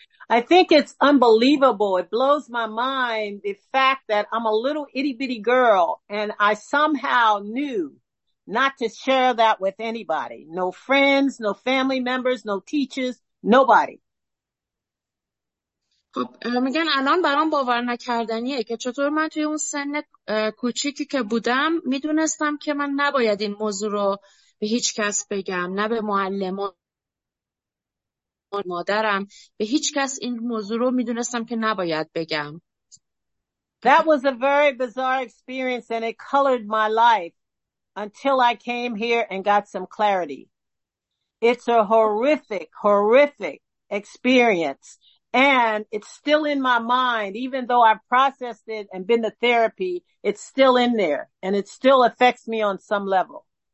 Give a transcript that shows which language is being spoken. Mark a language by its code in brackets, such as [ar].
[en] I think it's unbelievable. It blows my mind the fact that I'm a little itty bitty girl and I somehow knew not to share that with anybody. No friends, no family members, no teachers, nobody. [fa] خب میگن الان برام باور نکردنیه که چطور من توی اون سن کوچیکی که بودم میدونستم که من نباید این موضوع رو به هیچ کس بگم، نه به معلمم، مادرم، به هیچ کس این موضوع رو میدونستم که نباید بگم. [en] That was a very bizarre experience and it colored my life until I came here and got some clarity. It's a horrific, horrific experience and it's still in my mind, even though I've processed it and been to therapy, it's still in there and it still affects me on some level.